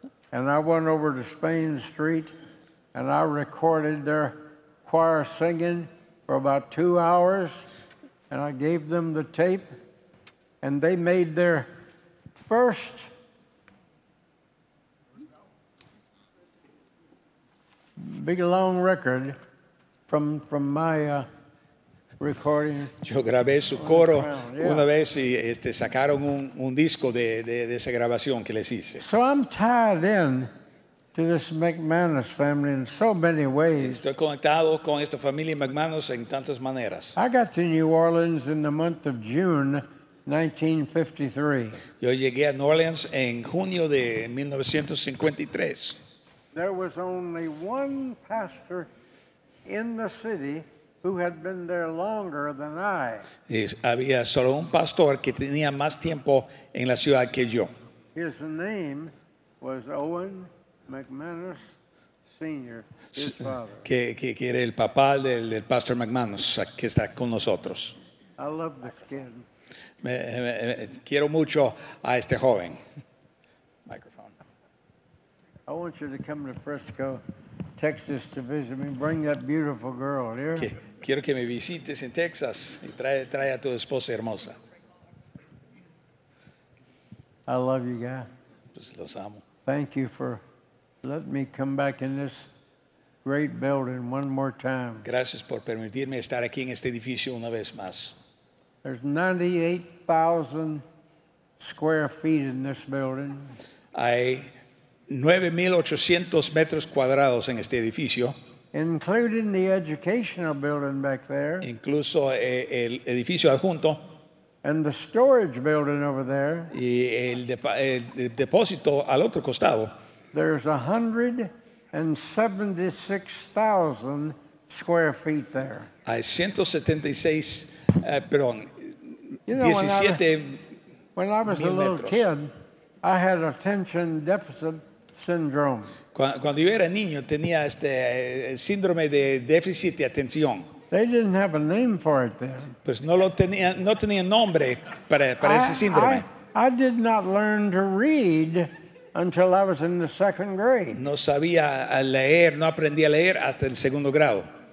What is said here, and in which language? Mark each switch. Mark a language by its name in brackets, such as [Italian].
[English] And I went over to Spain Street and I recorded their choir singing for about 2 hours and I gave them the tape and they made their first big long record from my recording. [Spanish] Yo grabé su coro una vez y sacaron un disco de esa grabación que les hice. [English] So I'm tied in to this McManus family in so many ways. [Spanish] Estoy conectado con esta familia McManus en tantas maneras. [English] I got to New Orleans in the month of June 1953. [Spanish] Yo llegué a New Orleans en junio de 1953. [English] There was only one pastor in the city who had been there longer than I. [Spanish] Y había solo un pastor que tenía más tiempo en la ciudad que yo. [English] His name was Owen McManus Sr., his father. [Spanish] Que era el papá del pastor McManus que está con nosotros. [English] I love this kid. [Spanish] Quiero mucho a este joven. [English] Microphone. I want you to come to Frisco, Texas to visit me. Bring that beautiful girl here. [Spanish] Quiero que me visites en Texas y trae a tu esposa hermosa. [English] I love you, guy. [Spanish] Pues los amo. [English] Thank you for letting me come back in this great building one more time. [Spanish] Gracias por permitirme estar aquí en este edificio una vez más. [English] There's 98,000 square feet in this building. [Spanish] Hay 9,800 metros cuadrados en este edificio. [English] Including the educational building back there. [Spanish] Incluso el edificio adjunto. [English] And the storage building over there. [Spanish] Y el depósito al otro costado. [English] There's 176,000 square feet there. [Spanish] Hay 17. [English] When I was a little kid, I had attention deficit syndrome. [Spanish] Cuando yo era niño tenía este síndrome de déficit de atención. [English] They didn't have a name for it then. [Spanish] Pues no tenía nombre para ese síndrome. [English] I did not learn to read until I was in the second grade. [Spanish] No sabía leer, no aprendí a leer hasta el segundo grado.